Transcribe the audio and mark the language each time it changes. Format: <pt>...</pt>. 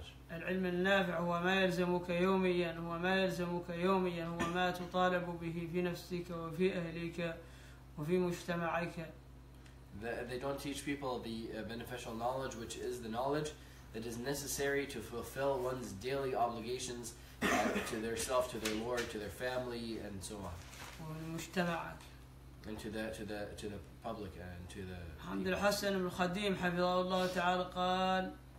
<ar>العلم النافع هو ما يلزمك يوميا هو ما يلزمك يوميا هو ما تطالب به في نفسك وفي أهلك وفي مجتمعك.</ar> <en>They don't teach people the beneficial knowledge, which is the knowledge that is necessary to fulfill one's daily obligations to their self, to their Lord, to their family, and so on.</en> <ar>ومجتمعك.</ar> <en>And to the public and to the.</en> <ar>الحمد الحسن بن الخديم حفظه الله تعالى قال.</ar>